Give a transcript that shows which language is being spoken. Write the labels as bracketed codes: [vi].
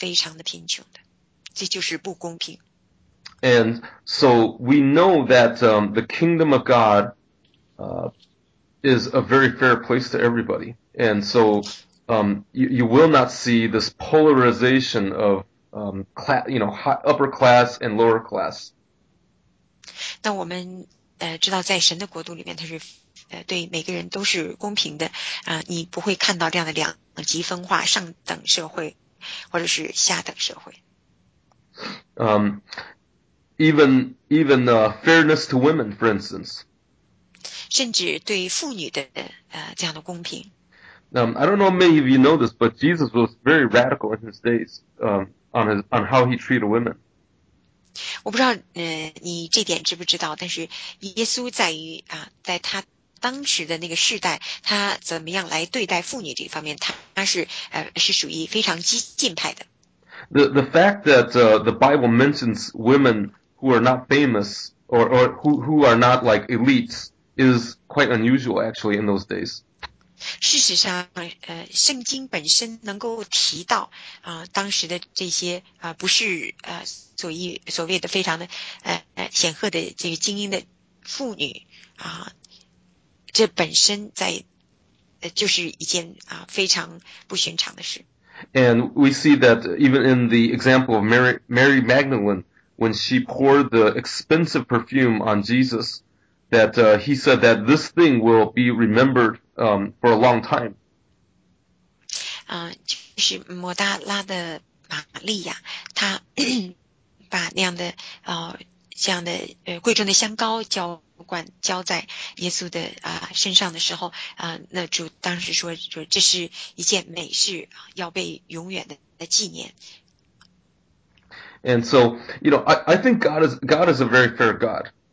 [zh] 所以我们在很多国家看到，他后来为什么会有一些这样的革命？那是因为总会有少数的这个精英分子，他们非常的富有，那么大多数的其他的这些百姓是非常的贫穷的，这就是不公平。 [en] And so we know that the kingdom of God is a very fair place to everybody. And so you will not see this polarization of class, you know, upper class and lower class. [zh] 那我们知道在神的国度里面，它是对每个人都是公平的，你不会看到这样的两极分化，上等社会或者是下等社会。 [en] Even fairness to women, for instance. [zh] 甚至对妇女的这样的公平。 [en] I don't know many of you know this, but Jesus was very radical in his days on how he treated women. [zh] 我不知道，你这点知不知道？但是耶稣在于啊，在他当时的那个时代，他怎么样来对待妇女这方面，他是属于非常激进派的。 [en] The fact that the Bible mentions women who are not famous or who are not like elites is quite unusual actually in those days. [zh] 事实上，圣经本身能够提到当时的这些不是所谓的非常的显赫的这个精英的妇女这本身在就是一件非常不寻常的事。 [en] And we see that even in the example of Mary Magdalene, when she poured the expensive perfume on Jesus, that he said that this thing will be remembered for a long time. [zh] 就是抹大拉的玛利亚，她把那样的这样的贵重的香膏浇在耶稣的身上的时候那主当时说就这是一件美事要被永远的纪念。 [en] And so, you know, I think God is a very fair God.